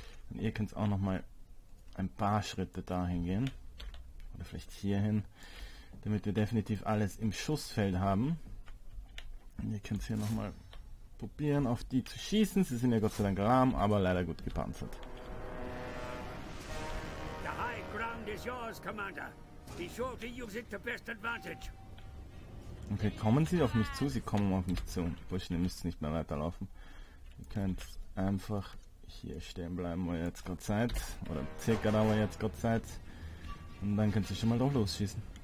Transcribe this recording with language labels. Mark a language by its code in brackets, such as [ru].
[de] Und ihr könnt auch nochmal ein paar Schritte dahin gehen. Oder vielleicht hierhin. Damit wir definitiv alles im Schussfeld haben. Und ihr könnt es hier nochmal probieren, auf die zu schießen. Sie sind ja Gott sei Dank lahm, aber leider gut gepanzert. [en] The high ground is yours, Commander. Be sure to use it to best advantage. [de] Okay, kommen sie auf mich zu? Sie kommen auf mich zu. Burschen, ihr müsst nicht mehr weiterlaufen. Ihr könnt einfach hier stehen bleiben, wo ihr jetzt gerade seid. Oder circa da, wo ihr jetzt gerade seid. Und dann könnt ihr schon mal doch losschießen.